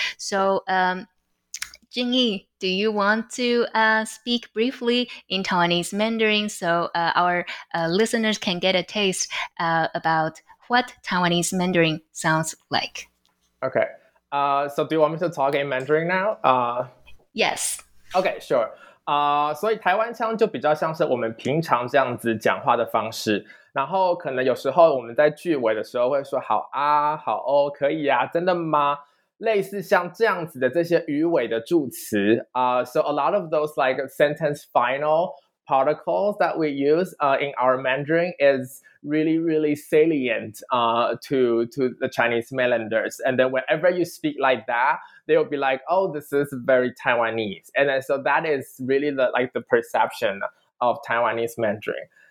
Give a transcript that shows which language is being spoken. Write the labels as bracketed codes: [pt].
[en] So Jingyi, do you want to speak briefly in Taiwanese Mandarin so our listeners can get a taste about what Taiwanese Mandarin sounds like? Okay. So do you want me to talk in Mandarin now? Yes. Okay, sure. [zh] 所以台湾腔就比较像是我们平常这样子讲话的方式，然后可能有时候我们在句尾的时候会说好啊、好哦、可以啊、真的吗？类似像这样子的这些语尾的助词啊。 [en] So a lot of those like sentence final particles that we use in our Mandarin is really, really salient to the Chinese mainlanders. And then whenever you speak like that, they'll be like, oh, this is very Taiwanese. And then so that is really the perception of Taiwanese Mandarin.